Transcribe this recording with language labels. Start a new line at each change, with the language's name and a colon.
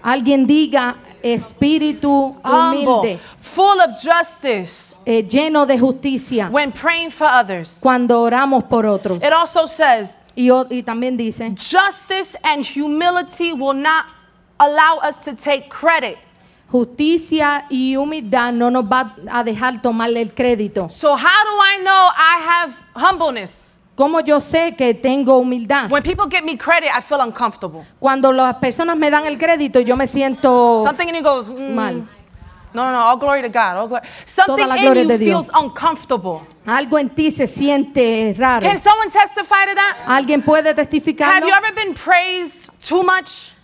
Spanish: Alguien diga espíritu humilde.
English: Full of justice.
Spanish: Lleno de justicia.
English: When praying for others.
Spanish: Cuando oramos por otros.
English: It also says.
Spanish: Y también dice.
English: Justice and humility will not allow us to take credit.
Spanish: Justicia y humildad no nos va a dejar tomar el crédito.
English: So how do I know I have humbleness?
Spanish: ¿Cómo yo sé que tengo humildad?
English: When people give me credit, I feel uncomfortable.
Spanish: Cuando las personas me dan el crédito, yo me siento
English: something in you goes,
Spanish: mal.
English: No, all glory to God. All glory. Something in you feels uncomfortable.
Spanish: Algo en ti se siente raro.
English: Can someone testify to that?
Spanish: ¿Alguien puede testificarlo?
English: Have you ever been praised too much?